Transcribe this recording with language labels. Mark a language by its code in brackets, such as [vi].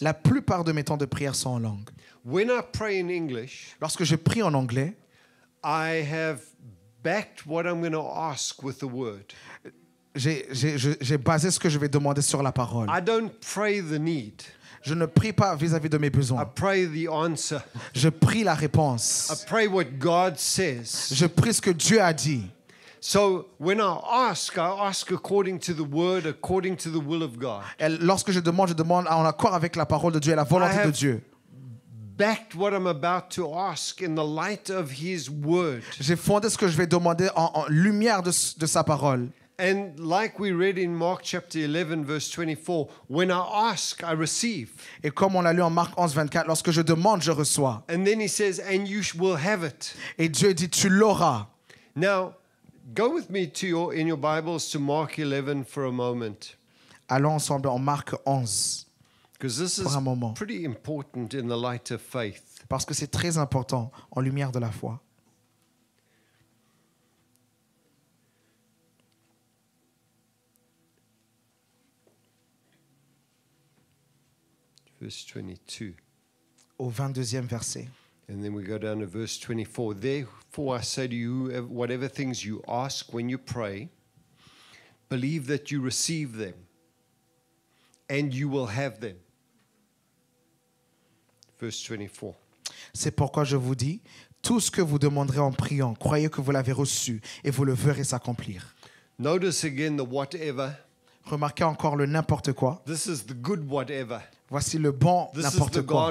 [fr] La plupart de mes temps de prière sont en langue. [en] When I pray in English, [fr] lorsque je prie en anglais, [en] I have backed what I'm going to ask with the word. [fr] J'ai basé ce que je vais demander sur la parole. [en] I don't pray the need. [fr] Je ne prie pas vis-à-vis de mes besoins. [en] I pray the answer. [fr] Je prie la réponse. [en] I pray what God says. [fr] Je prie ce que Dieu a dit. [en] So when I ask according to the word, according to the will of God. [fr] Et lorsque je demande en accord avec la parole de Dieu et la volonté de Dieu. [en] Backed what I'm about to ask in the light of his word. [fr] J'ai fondé ce que je vais demander en lumière de sa parole. [en] And like we read in Mark chapter 11 verse 24, when I ask, I receive. [fr] Et comme on l'a lu en Marc 11, 24, lorsque je demande, je reçois. [en] And then he says, and you will have it. [fr] Et Dieu dit, tu l'auras. [en] Now, go with me to your in your Bibles to Mark 11 for a moment. [fr] Allons ensemble en Marc 11. [en] Because this is pretty important in the light of faith. [fr] Parce que c'est très important en lumière de la foi. [en] Verse 22. [fr] Au 22e verset. [en] And then we go down to verse 24. Therefore I say to you, whatever things you ask when you pray, believe that you receive them, and you will have them. Verse 24. [fr] C'est pourquoi je vous dis, tout ce que vous demanderez en priant, croyez que vous l'avez reçu, et vous le verrez s'accomplir. [en] Notice again the whatever. [fr] Remarquez encore le n'importe quoi. [en] This is the good whatever. [fr] Voici le bon [en] this [fr] n'importe [en] is the [fr] quoi.